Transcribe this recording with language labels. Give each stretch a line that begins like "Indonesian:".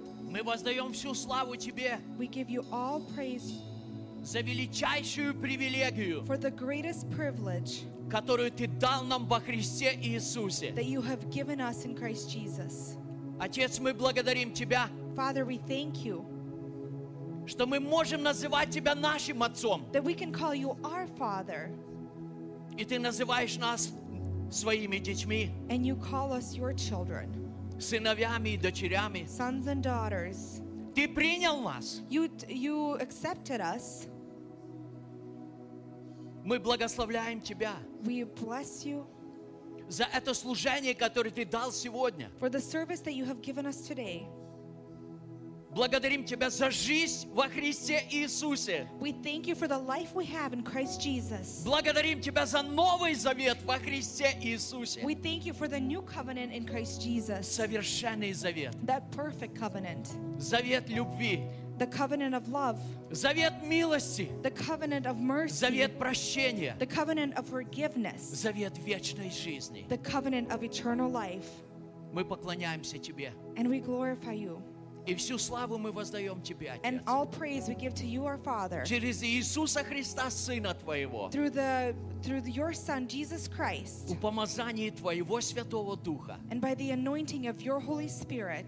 Russian: Ми воздаем всю славу тебе.
English: We give you all praise.
Russian: За величайшую привилегию.
English: For the greatest privilege.
Russian: Которую ты дал нам во Христе Иисусе.
English: That you have given us in Christ Jesus.
Russian: Отец, мы благодарим тебя.
English: Father, we thank you.
Russian: Что мы можем называть тебя нашим отцом.
English: That we can call you our father.
Russian: И ты называешь нас своими детьми,
English: and you call us your children,
Russian: сыновьями и дочерями,
English: sons and daughters.
Russian: Ты принял нас.
English: You accepted us.
Russian: Мы благословляем тебя.
English: We bless you.
Russian: За это служение, которое ты дал сегодня.
English: For the service that you have given us today.
Russian: Благодарим тебя за жизнь во Христе Иисусе.
English: We thank you for the life we have in Christ Jesus.
Russian: Благодарим тебя за новый завет во Христе Иисусе.
English: We thank you for the new covenant in Christ Jesus.
Russian: Совершенный завет.
English: That perfect covenant.
Russian: Завет любви.
English: The covenant of love.
Russian: Завет милости.
English: The covenant of mercy.
Russian: Завет прощения.
English: The covenant of forgiveness.
Russian: Завет вечной жизни.
English: The covenant of eternal life.
Russian: Мы поклоняемся тебе.
English: And we glorify you.
Russian: И всю славу мы воздаем Тебе, Отец.
English: And all praise we give to you, our Father.
Russian: Через Иисуса Христа, Сына Твоего.
English: Through your Son, Jesus Christ.
Russian: У помазания Твоего Святого Духа.
English: And by the anointing of your Holy Spirit.